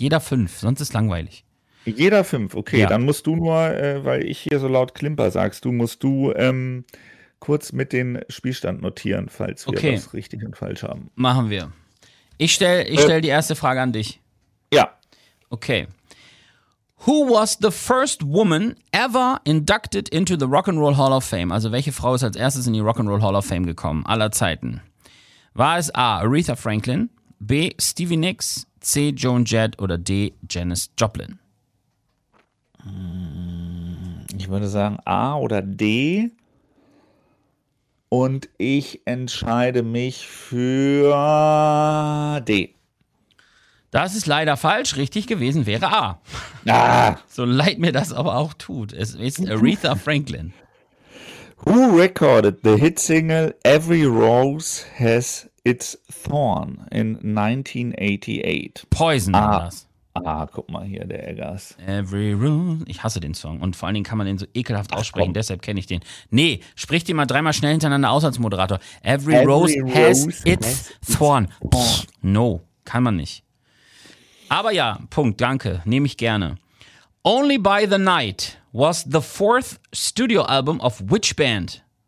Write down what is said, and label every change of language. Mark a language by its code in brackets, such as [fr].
[de] Jeder 5, sonst ist langweilig. Jeder 5, okay, ja. Dann musst du nur, weil ich hier so laut Klimper sagst, musst du kurz mit den Spielstand notieren, falls wir okay. Das richtig und falsch haben. Machen wir. Ich stell die erste Frage an dich. Ja. Okay. [en] Who was the first woman ever inducted into the Rock'n'Roll Hall of Fame? [de] Also welche Frau ist als erstes in die Rock'n'Roll Hall of Fame gekommen, aller Zeiten? War es A, Aretha Franklin, B, Stevie Nicks, C, Joan Jett oder D, Janis Joplin? Ich würde sagen A oder D und ich entscheide mich für D. Das ist leider falsch, richtig gewesen wäre A. Ah. So leid mir das aber auch tut, es ist Aretha Franklin. [en] Who recorded the hit single Every Rose Has Its Thorn in 1988? [de] Poison war das. Ah, guck mal hier, der Eggers. Every Room. Ich hasse den Song. Und vor allen Dingen kann man den so ekelhaft aussprechen, deshalb kenne ich den. Nee, sprich den mal dreimal schnell hintereinander aus als Moderator. Every Rose has its thorn. No, kann man nicht. Aber ja, Punkt, danke. Nehme ich gerne. [en] Only by the Night was the 4th Studio Album of which Band?